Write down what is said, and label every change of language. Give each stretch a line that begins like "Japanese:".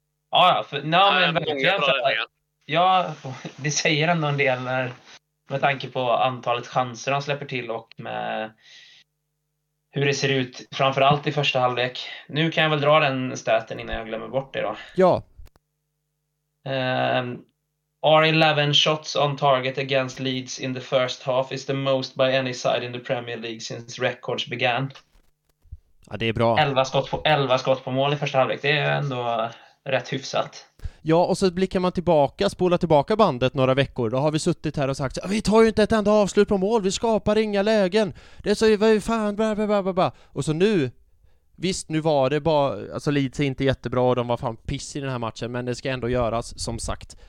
Swedish: Ja, för nej, nej, men verkligen, för att, ja, det säger ändå en del när, med tanke på antalet chanser han släpper till och med hur det ser ut framförallt i första halvlek. Nu kan jag väl dra den stäten innan jag glömmer bort det då. Ja.
English: Our 11 shots on target against Leeds in the first half is the most by any side in the Premier League since records began.
Swedish: Ja, det är bra. 11 skott på mål i första halvlek. Det är ändå rätt hyfsat. Ja, och så blickar man tillbaka, spolar tillbaka bandet några veckor. Då har vi suttit här och sagt, vi tar ju inte ett enda avslut på mål. Vi skapar inga lägen. Det är så, vad är fan, blablabla. Och så nu, visst, nu var det bara, alltså Leeds är inte jättebra och de var fan piss i den här matchen, men det ska ändå göras, som sagt.